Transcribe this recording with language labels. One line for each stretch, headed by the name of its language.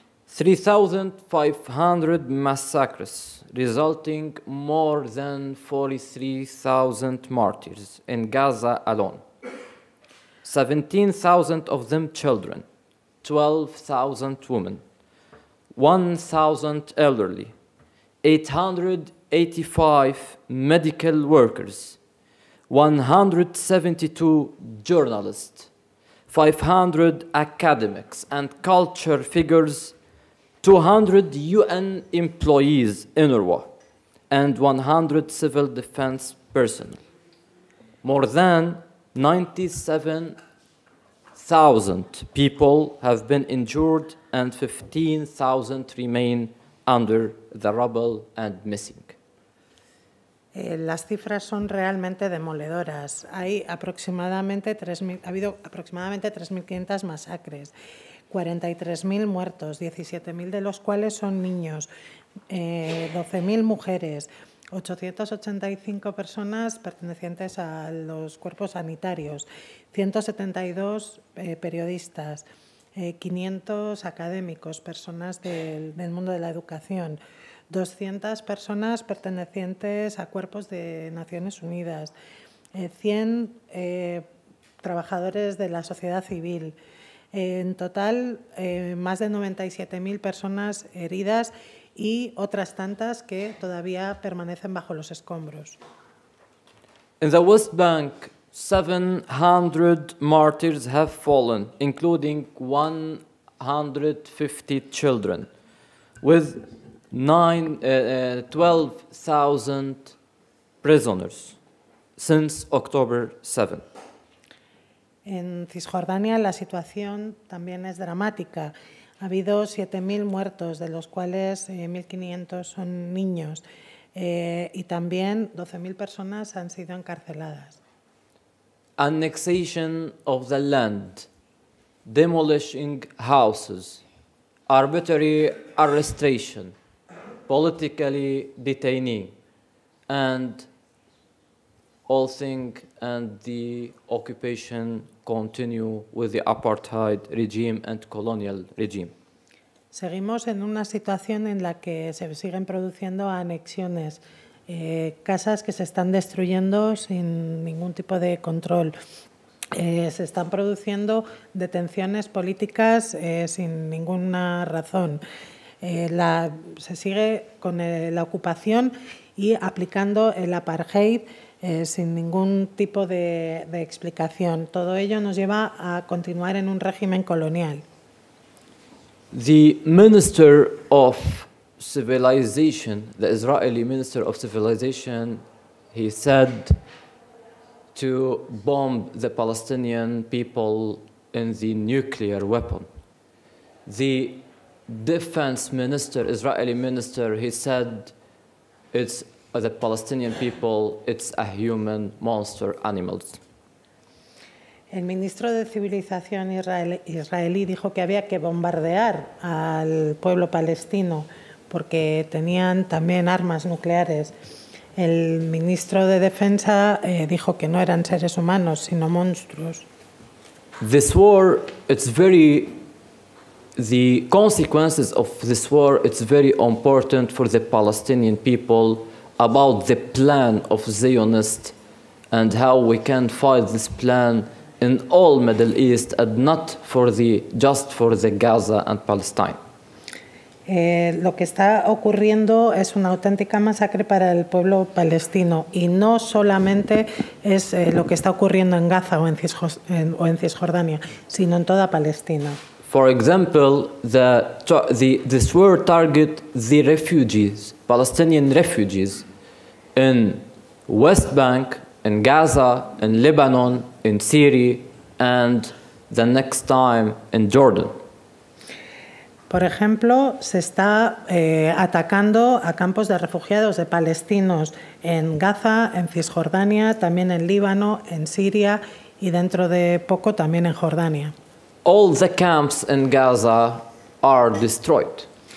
English: 3,500 massacres, resulting more than 43,000 martyrs in Gaza alone. 17,000 of them children, 12,000 women, 1,000 elderly, 885 medical workers, 172 journalists, 500 academics and culture figures, 200 UN employees, UNRWA, and 100 civil defense personnel. More than 97,000 people have been injured and 15,000 remain under the rubble and missing.
Spanish: Las cifras son realmente demoledoras. Ha habido aproximadamente 3.500 masacres, 43.000 muertos, 17.000 de los cuales son niños, 12.000 mujeres, 885 personas pertenecientes a los cuerpos sanitarios, 172 periodistas, 500 académicos, personas del mundo de la educación, 200 personas pertenecientes a cuerpos de Naciones Unidas, 100 trabajadores de la sociedad civil. En total, más de 97.000 personas heridas y otras tantas que todavía permanecen bajo los escombros.
English: In the West Bank, 700 martyrs have fallen, including 150 children, with 12,000 prisoners since October 7.
Spanish: En Cisjordania la situación también es dramática. Ha habido 7.000 muertos, de los cuales 1.500 son niños, y también 12.000 personas han sido encarceladas.
English: Annexation of the land, demolishing houses, arbitrary arrestation, politically detaining, and all things and the occupation continue with the apartheid regime and colonial regime.
Spanish: Seguimos en una situación en la que se siguen produciendo anexiones, casas que se están destruyendo sin ningún tipo de control. Se están produciendo detenciones políticas sin ninguna razón. Se sigue con la ocupación y aplicando el apartheid sin ningún tipo de explicación. Todo ello nos lleva a continuar en un régimen colonial.
English: The Minister of Civilization, the Israeli Minister of Civilization, he said to bomb the Palestinian people in the nuclear weapon. The Defense Minister, Israeli Minister, he said it's the Palestinian people, it's a human monster animals.
Spanish: El ministro de Civilización israelí dijo que había que bombardear al pueblo palestino porque tenían también armas nucleares. El ministro de Defensa dijo que no eran seres humanos, sino monstruos.
English: This war, it's very, the consequences of this war, it's very important for the Palestinian people about the plan of Zionists and how we can fight this plan in all Middle East and not for the just for the Gaza and Palestine.
Spanish: Lo que está ocurriendo es una auténtica masacre para el pueblo palestino y no solamente es lo que está ocurriendo en Gaza o en Cisjordania, sino en toda Palestina.
English: For example, this war target the refugees, Palestinian refugees in West Bank, in Gaza, in Lebanon, in Syria, and the next time in Jordan.
Spanish: Por ejemplo, se está atacando a campos de refugiados de palestinos en Gaza, en Cisjordania, también en Líbano, en Siria y dentro de poco también en Jordania.
English: All the camps in Gaza are destroyed.